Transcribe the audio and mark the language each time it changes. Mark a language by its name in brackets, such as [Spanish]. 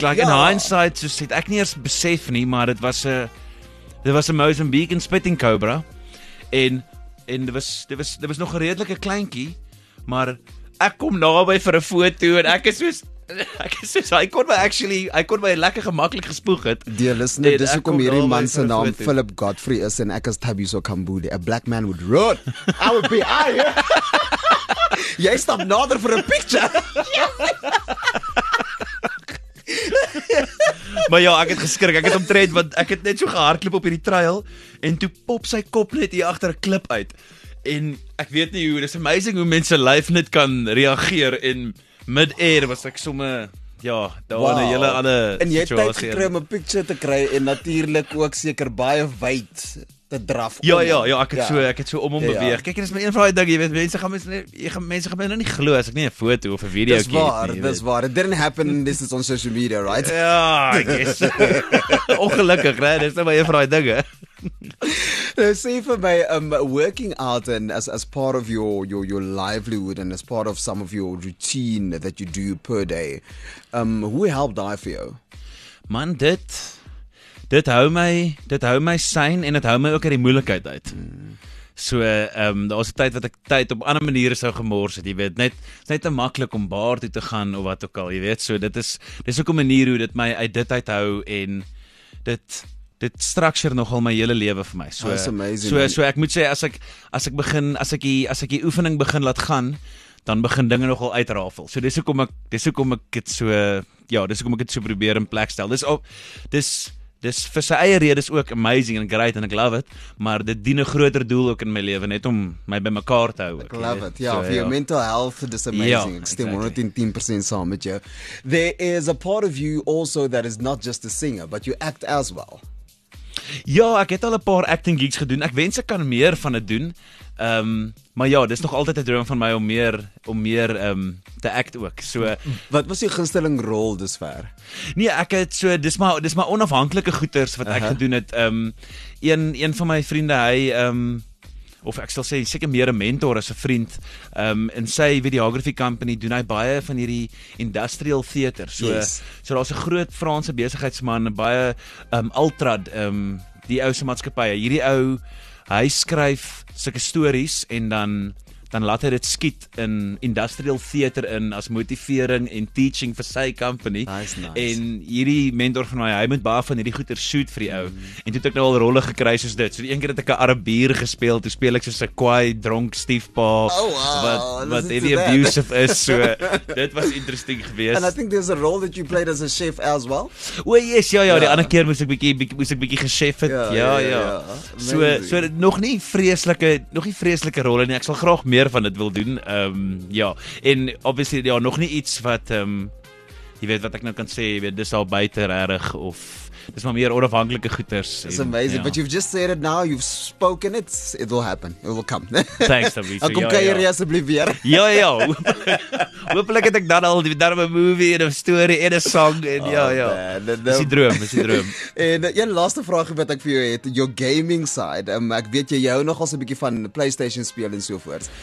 [English] Like in hindsight, [Afrikaans] so het ek nie eers besef nie, maar het was a... Dit was 'n Mozambican spitting cobra en dit was nog 'n redelike kleintjie, maar ek kom naby vir 'n foto en ek is soos Ek is soos, hy kon my actually, hy kon my lekker gemakkelijk gespoeg het. [English] Dear listener, [Afrikaans] dis ook om hierdie man sy naam Philip Godfrey is en ek is Tabiso Kambule. [English] A black man would run. I would be out here. [Afrikaans] Jy stap nader vir 'n picture. Maar ja, ek het geskrik, ek het omtrent, want ek het net so gehardloop op hierdie trail en toe pop sy kop net hier agter 'n klip uit. En ek weet nie hoe, dis amazing hoe mense lyf net kan reageer en mid-air was ek somme, ja, daar in 'n hele ander situasie. En jy het tyd gekry om 'n picture te kry en natuurlik ook seker baie wyd te draf kom. Ja, ek het so om hom beweeg. Kyk, dit is my een van die dinge, jy weet, mense gaan nou nie glo as ek nie 'n foto of 'n video kyk. Dis waar, [English] it didn't happen, this is on social media, right? Ja, I guess. [Afrikaans] Ongelukkig, nee, dit is nou my een van die dinge. [English] Say for my working out and as part of your livelihood and as part of some of your routine that you do per day, who helped die for you? [Afrikaans] Man, dit hou my sane en dit hou my ook uit die moeilikheid uit. So, daar is die tyd wat ek tyd op ander maniere sou gemors het, jy weet, net te maklik om baar toe te gaan of wat ook al, jy weet, so dit is ook 'n manier hoe dit my uit dit uithou en dit structure nogal my hele lewe vir my. So ek moet sê as ek die oefening begin laat gaan, dan begin dinge nogal uitrafel. So dis hoekom ek dit so probeer in plek stel. Dis vir sy eie redes ook amazing [English] and great and I love it, [Afrikaans] maar dit dien 'n groter doel ook in my lewe net om my bymekaar te hou. Ek love it. Ja, vir jou mental health is amazing. Yeah, ek stem 110% saam met jou. [English] There is a part of you also that is not just a singer, but you act as well. [Afrikaans] Ja, ek het al 'n paar acting gigs gedoen. Ek wens ek kan meer van dit doen. Maar ja, dis nog altyd 'n droom van my om meer te act ook. So wat was jou gunsteling rol dusver? Nee, ek het so dis maar onafhanklike goeters wat ek gedoen het. Een van my vriende, of ek sal sê seker meer 'n mentor as 'n vriend, in sy videography company doen hy baie van hierdie industrial theater. So [English] yes. [Afrikaans] So daar's 'n groot Franse besigheidsman, baie Altrad, die ou se maatskappye. Hierdie ou, hy skryf sulke stories en dan laat hy dit skiet in industrial theater in as motivering en teaching vir sy company. [English] Nice. [Afrikaans] En hierdie mentor van my, hy moet baie van hierdie goeie shoot vir die ou. En toe het ek nou al rolle gekry soos dit. So die een keer het ek 'n Arabier gespeel, toe speel ek soos 'n kwaai, dronk stiefpa. [English] Oh, wow. [Afrikaans] Wat heavy abusive is, so dit was interesting geweest. [English] And I think there's a role that you played as a chef as well. [Afrikaans] O, yes, ja, die ander keer moes ek bietjie gechef het. Ja. So nog nie vreeslike rolle nie. Ek sal graag meer van dit wil doen. En obviously ja, nog nie iets wat jy weet wat ek nou kan sê, jy weet, dis al buite reg of dis maar meer onafhanklike goeters. [English] It's amazing, yeah. But you've just said it now, you've spoken it, it will happen, it will come. Thanks, Tabiso. [Afrikaans] Ek kom kuier asseblief weer. Ja. Hoopelik het ek dan al die darm 'n movie en 'n story en 'n song en Dis die droom. En een laaste vraag wat ek vir jou het, [English] your gaming side. [Afrikaans] Ek weet jy hou nogal so 'n bietjie van PlayStation speel en sovoorts.